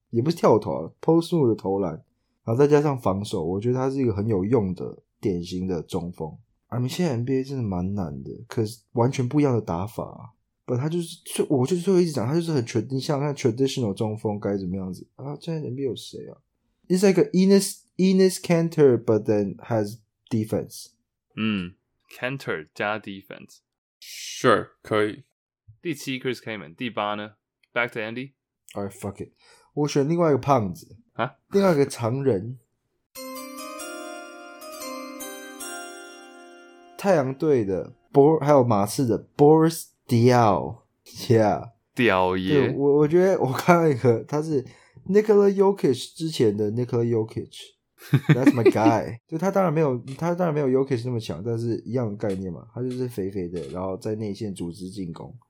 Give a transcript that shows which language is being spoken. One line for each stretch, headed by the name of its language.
Chinese: 也不是跳投啊 ，post move 的投篮，然后再加上防守，我觉得他是一个很有用的典型的中锋。 I mean, 现在 NBA 真的蛮难的，可是完全不一样的打法、啊。不，他就是，我就是会一直讲，他就是很全，你像那 traditional 中锋该怎么样子啊？现在 NBA 有谁啊
English: ？It's like Enes Kanter, but then has defense.
Chinese: 嗯 ，Kanter 加 defense. Sure, 可以。第七 Chris Kamen， 第八呢 ？
English: Back to Andy. All right, fuck it.
Chinese: 我选另外一个胖子啊，另外一个常人，太阳队的波，还有马刺的 Boris Diaw, yeah, 屌爷，我觉得我看到一个，他是 Nikola Jokic 之前的 Nikola Jokic，
English: That's my guy,
Chinese: 就他当然没有 Jokic 那么强，但是一样的概念嘛，他就是肥肥的，然后在内线组织进攻。